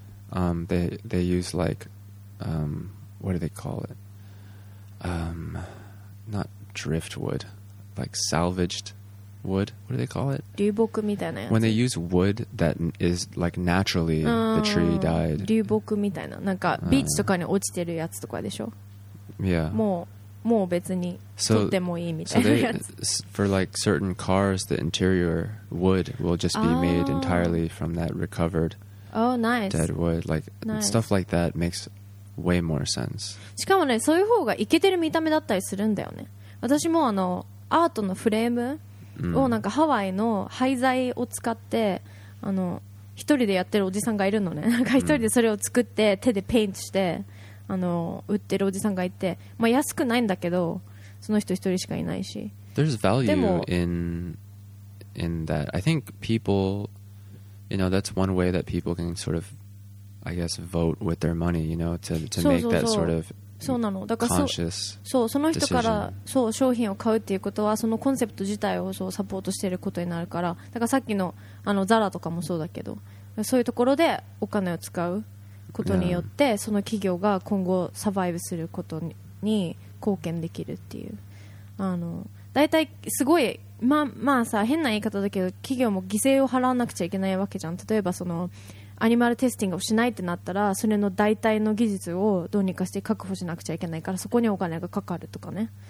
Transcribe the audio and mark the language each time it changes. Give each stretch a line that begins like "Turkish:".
English: They use, like, what do they call it? Not driftwood, like salvaged wood. What do they call it?
Japanese: 流木みたいなやつ
English: When they use wood that is, like, naturally, the tree died.
Japanese: 流木みたいな。なんか、ビーチとかに落ちてるやつとかでしょ
English: Yeah.
Japanese: もう別に取ってもいいみたいなやつ。
English: So for, like, certain cars, the interior wood will just be made entirely from that recovered dead wood. Like, stuff like that makes way more sense.
Japanese: しかもね、そういう方がイケてる見た目だったりするんだよね。私もあの、アートのフレームうん、をなんかハワイの廃材を使ってあの一人でやってるおじさんがいるのねなんか一人でそれを作って手でペイントしてあの売ってるおじさんがいて、まあ、安くないんだけどその人一人しかいないし
English: There's value in that I think people you know that's one way that people can sort of I guess vote with their money you know to make that sort of
Japanese: そうなのだからそうその人からそう商品を買うっていうことはそのコンセプト自体をそうサポートしていることになるからだからさっきのあのザラとかもそうだけどそういうところでお金を使うことによって、yeah. その企業が今後サバイブすることに貢献できるっていうあのだいたいすごいまあさ変な言い方だけど企業も犠牲を払わなくちゃいけないわけじゃん例えばそのアニマルテスティングをしないってなったらそれの代替の技術をどうにかして確保しなくちゃいけないからそこにお金がかかるとかね、